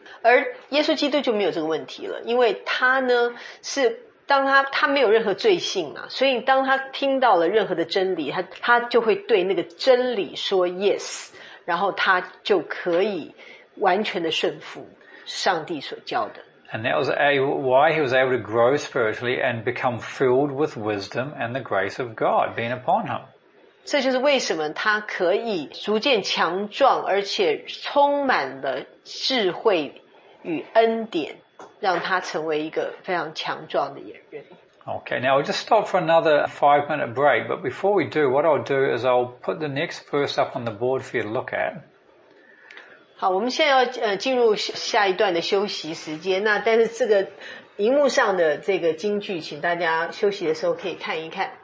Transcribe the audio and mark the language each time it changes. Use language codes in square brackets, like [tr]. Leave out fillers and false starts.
[zh] 而耶稣基督就没有这个问题了，因为他呢是当他没有任何罪性啊，所以当他听到了任何的真理，他就会对那个真理说 yes， 然后他就可以完全的顺服上帝所教的。 [en] And that was why he was able to grow spiritually and become filled with wisdom and the grace of God being upon him. [zh] 这就是为什么他可以逐渐强壮，而且充满了智慧与恩典，让他成为一个非常强壮的人。 [en] Okay, now we'll just stop for another 5 minute break, but before we do, what I'll do is I'll put the next verse up on the board for you to look at. [zh] 好，我们现在要进入下一段的休息时间。那但是这个荧幕上的这个金句，请大家休息的时候可以看一看。